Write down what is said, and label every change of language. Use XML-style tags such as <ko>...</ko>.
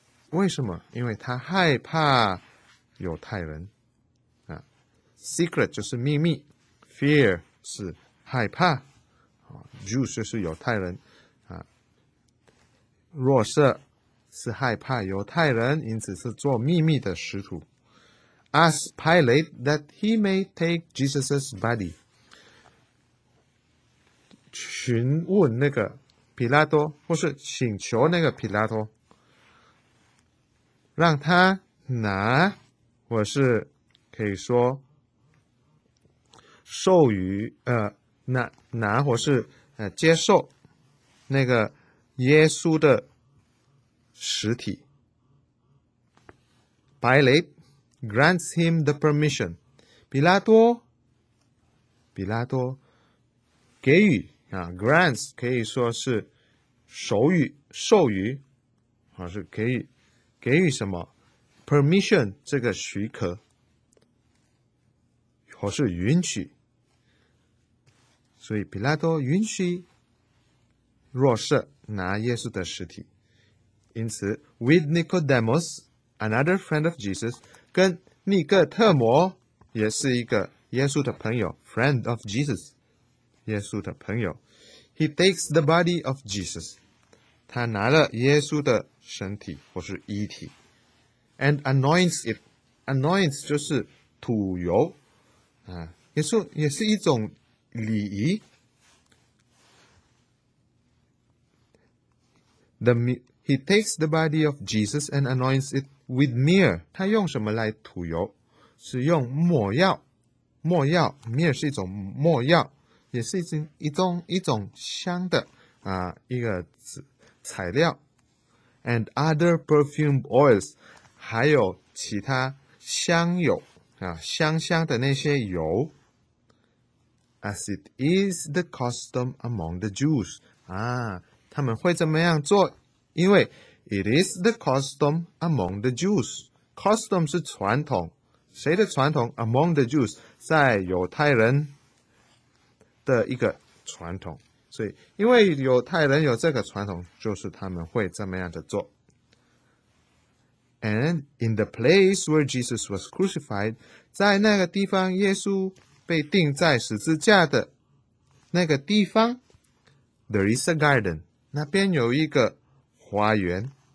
<zh>为什么因为他害怕犹太人。啊、Secret 就是秘密 ,fear 是害怕、啊、,Jews 就是犹太人。啊、若瑟是害怕犹太人因此是做秘密的师徒。</zh> <en>Ask Pilate that he may take Jesus' body.</en> <zh>询问那个皮拉多或是请求那个皮拉多让他拿，我是可以说授予拿或是接受那个耶稣的实体。</zh> <en>Pilate grants him the permission.</en> <zh>比拉多给予grants 可以说是授予或是给予什么 permission 这个许可或是允许。所以比拉多允许若瑟拿耶稣的实体。因此</zh> <en>with Nicodemus, another friend of Jesus,</en> <zh>跟尼哥特摩也是一个耶稣的朋友</zh> <en>friend of Jesus,</en> <zh>耶稣的朋友。</zh> <en>He takes the body of Jesus,</en> <zh>他拿了耶稣的身体或是遗体</zh> <en>and anoints it.</en> <zh>Anoints 就是涂油也是一种礼仪。</zh> <en>He takes the body of Jesus and anoints it with myrrh.</en> <zh>他用什么来涂油？是用没药。 myrrh 是一种没药，也是一种香的一个材料。</zh> <en>And other perfume oils,</en> <zh>还有其他香油香香的那些油。</zh> <en>As it is the custom among the Jews,</en> <zh>他们会怎么样做？因为</zh> <en>it is the custom among the Jews.</en> <zh>Custom 是传统，谁的传统 ？</zh> <en>Among the Jews，</en> <zh>在犹太人的一个传统。所以，因为犹太人有这个传统，就是他们会这么样的做。</zh> <en>And in the place where Jesus was crucified，</en> <zh>在那个地方耶稣被钉在十字架的那个地方</zh> <en>，there is a garden，</en> <zh>那边有一个花园。</zh>